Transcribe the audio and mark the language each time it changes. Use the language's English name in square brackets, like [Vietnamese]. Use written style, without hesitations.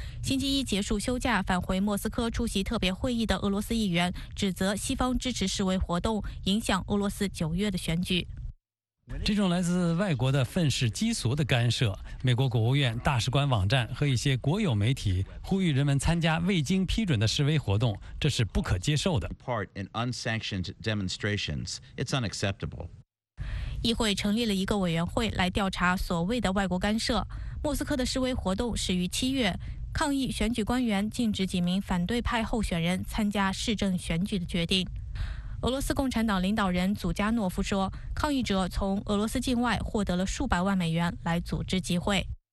[Chinese] 星期一结束休假返回莫斯科出席特别会议的俄罗斯议员指责西方支持示威活动影响俄罗斯九月的选举。这种来自外国的愤世嫉俗的干涉，美国国务院大使馆网站和一些国有媒体呼吁人们参加未经批准的示威活动，这是不可接受的。 [English] Part in unsanctioned demonstrations, it's unacceptable. [Chinese] 议会成立了一个委员会来调查所谓的外国干涉。莫斯科的示威活动始于七月，抗议选举官员禁止几名反对派候选人参加市政选举的决定。俄罗斯共产党领导人祖加诺夫说，抗议者从俄罗斯境外获得了数百万美元来组织集会。